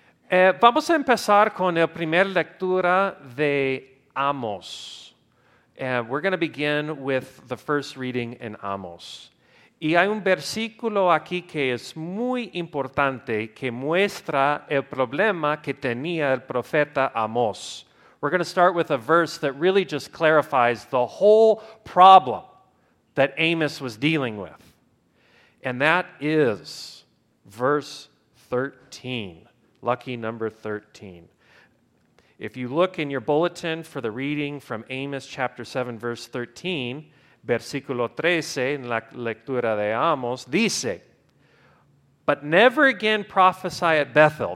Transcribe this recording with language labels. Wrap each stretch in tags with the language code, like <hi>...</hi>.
<es>Vamos a empezar con la primera lectura de Amos.</es> <en>We're going to begin with the first reading in Amos.</en> <es>Y hay un versículo aquí que es muy importante que muestra el problema que tenía el profeta Amos.</es> <en>We're going to start with a verse that really just clarifies the whole problem that Amos was dealing with. And that is verse 13, lucky number 13. If you look in your bulletin for the reading from Amos chapter 7, verse 13,</en> <es>versículo 13, en la lectura de Amos, dice,</es> <en>"But never again prophesy at Bethel."</en>